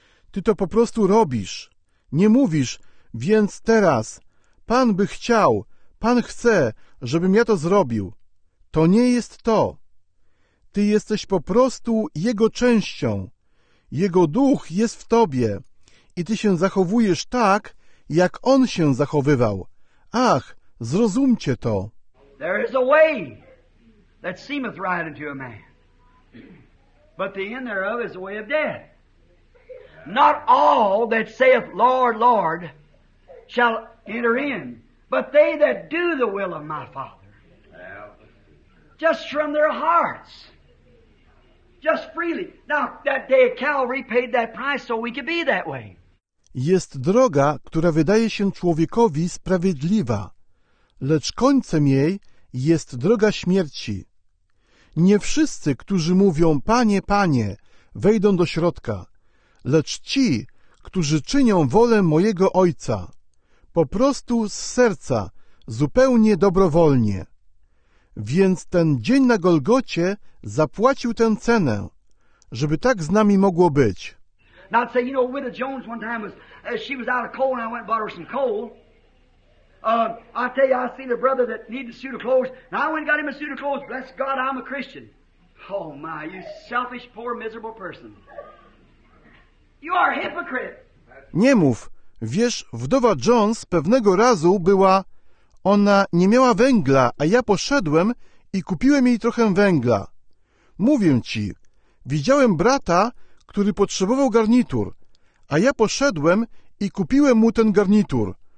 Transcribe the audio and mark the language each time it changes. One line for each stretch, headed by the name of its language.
Polish: Ty to po prostu robisz. Nie mówisz, więc teraz Pan by chciał, Pan chce, żebym ja to zrobił. To nie jest to. Ty jesteś po prostu Jego częścią. Jego Duch jest w Tobie i Ty się zachowujesz tak, jak On się zachowywał. Ach, zrozumcie to.
English: There is a way that seemeth right unto a man, but the end thereof is the way of death. Not all that saith, Lord, Lord, shall enter in, but they that do the will of my Father, just from their hearts, just freely. Now, that day at Calvary paid that price so we could be that way. Jest droga, która wydaje się człowiekowi sprawiedliwa, lecz końcem jej jest droga śmierci. Nie wszyscy, którzy mówią, Panie, Panie, wejdą do środka, lecz ci, którzy czynią wolę mojego Ojca, po prostu z serca, zupełnie dobrowolnie. Więc ten dzień na Golgocie zapłacił tę cenę, żeby tak z nami mogło być. Now say, you know, Widow Jones one time was, she was out of coal and I went and bought her some coal. I tell you, I seen a brother that needed a suit of clothes and I went and got him a suit of clothes. Bless God, I'm a Christian. Oh my, you selfish, poor, miserable person. You are a hypocrite.
Polish: Nie mów. Wiesz, wdowa Jones pewnego razu była... Ona nie miała węgla, a ja poszedłem i kupiłem jej trochę węgla. Mówię ci, widziałem brata, który potrzebował garnitur, a ja poszedłem i kupiłem mu ten garnitur.